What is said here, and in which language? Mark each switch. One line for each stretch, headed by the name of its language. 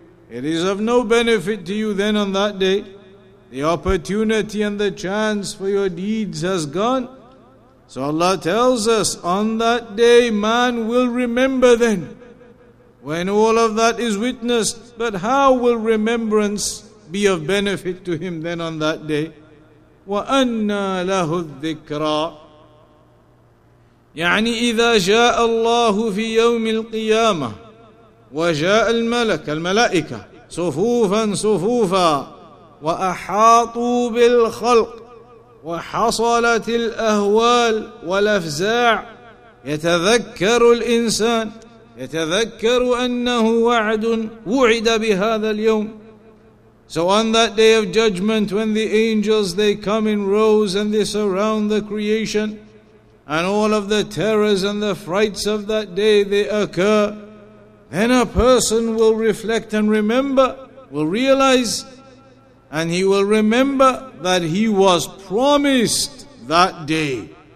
English: It is of no benefit to you then on that day. The opportunity and the chance for your deeds has gone. So Allah tells us, on that day man will remember then, when all of that is witnessed. But how will remembrance be of benefit to him then on that day?
Arabic: وَأَنَّا لَهُ الذِّكْرَى. يعني إذا جاء الله في يوم القيامة وجاء الملك الملائكة صفوفا صفوفا وأحاطوا بالخلق وحصلت الأهوال والأفزاع يتذكر الإنسان يتذكر أنه وعد وعد بهذا اليوم
English: So on that day of judgment, when the angels, they come in rows and they surround the creation, and all of the terrors and the frights of that day, they occur, then a person will reflect and remember, will realize, and he will remember that he was promised that day.